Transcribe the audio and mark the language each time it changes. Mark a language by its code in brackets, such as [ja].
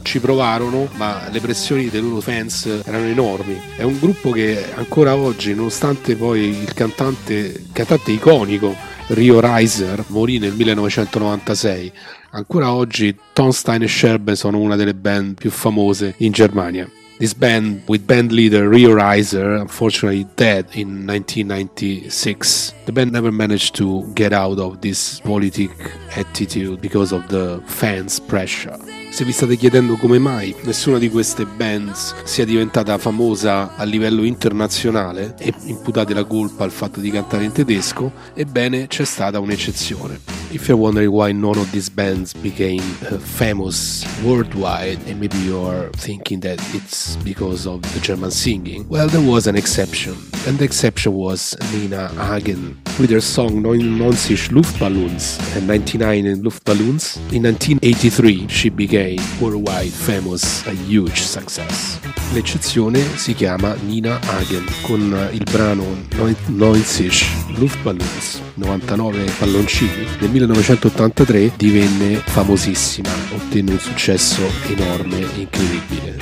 [it] Ci provarono, ma le pressioni dei loro fans erano enormi. È un gruppo che ancora oggi, nonostante poi il cantante iconico Rio Reiser morì nel 1996, ancora oggi Tom, Stein & Sherburn sono una delle band più famose in Germania. [en] this band with band leader Rio Reiser, unfortunately dead in 1996. The band never managed to get out of this politic attitude because of the fans' pressure. [it] Se vi state chiedendo come mai nessuna di queste bands sia diventata famosa a livello internazionale e imputate la colpa al fatto di cantare in tedesco, ebbene c'è stata un'eccezione. [en] If you're wondering why none of these bands became famous worldwide, and maybe you're thinking that it's because of the German singing, well, there was an exception. And the exception was Nina Hagen with her song 99 Luftballons, and 99 Luftballons. In 1983 she became worldwide famous, a huge success. [it] L'eccezione si chiama Nina Hagen con il brano 99 Luftballons, 99 palloncini, del 1983 divenne famosissima, ottenne un successo enorme, incredibile.